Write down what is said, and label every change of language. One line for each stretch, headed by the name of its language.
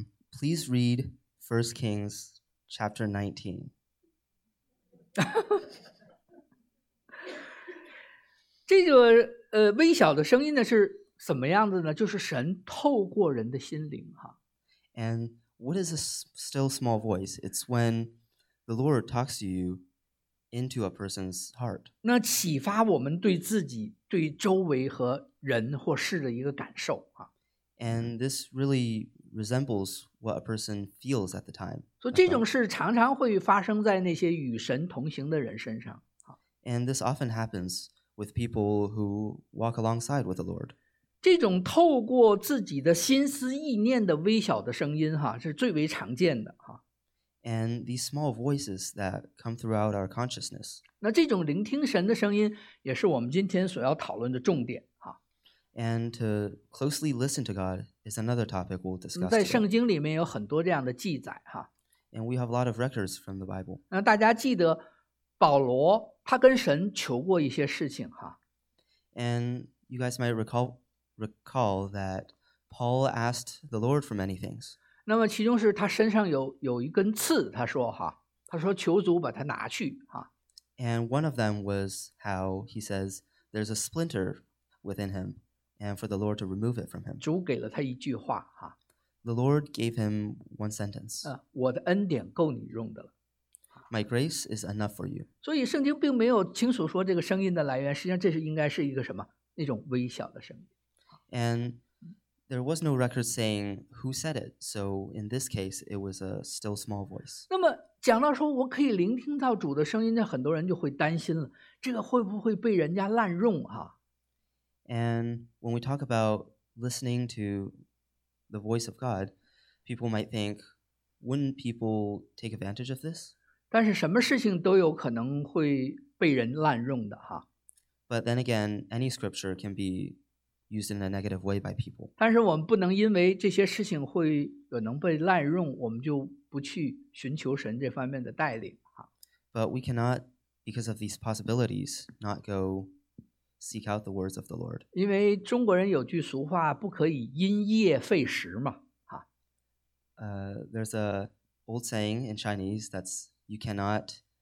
English: Please read 1 Kings chapter 19.
Chinese: 这个微小的声音呢是怎么样的呢？就是神透过人的心灵哈。
English: And what is a still small voice? It's when the Lord talks to you into a person's heart.
Chinese: 那启发我们对自己、对周围和人或事的一个感受哈。
English: And this really resembles what a person feels at the time.
Chinese: 所以这种事常常会发生在那些与神同行的人身上。
English: And this often happens with people who walk alongside with the Lord.
Chinese: 这种透过自己的心思意念的微小的声音哈，是最为常见的哈。
English: And these small voices that come throughout our consciousness.
Chinese: 那这种聆听神的声音也是我们今天所要讨论的重点。
English: And to closely listen to God is another topic we'll discuss.
Chinese: 在圣经里面有很多这样的记载哈。
English: And we have a lot of records from the Bible.
Chinese: 那大家记得保罗他跟神求过一些事情哈。
English: And you guys might recall that Paul asked the Lord for many things.
Chinese: 那么其中是他身上有一根刺，他说哈，他说求主把它拿去哈。
English: And one of them was how he says there's a splinter within him. And for the Lord to remove it from him.
Chinese: 主给了他一句话哈。
English: The Lord gave him one sentence.
Chinese: 我的恩典够你用的了。
English: My grace is enough for you.
Chinese: 所以圣经并没有清楚说这个声音的来源，实际上这是应该是一个什么那种微小的声音。
English: And there was no record saying who said it. So in this case, it was a still small voice.
Chinese: 那么讲到说我可以聆听到主的声音，那很多人就会担心了，这个会不会被人家滥用哈？
English: And when we talk about listening to the voice of God, people might think, wouldn't people take advantage of this?
Chinese: 但是什么事情都有可能会被人滥用的哈。
English: But then again, any scripture can be used in a negative way by people.
Chinese: 但是我们不能因为这些事情会有能被滥用，我们就不去寻求神这方面的带领哈。
English: But we cannot, because of these possibilities, not go... Seek out the words of the Lord.
Chinese: 因为中国人有句俗话，不可以因噎废食嘛，哈。
English: There's a old saying in Chinese that's you cannot.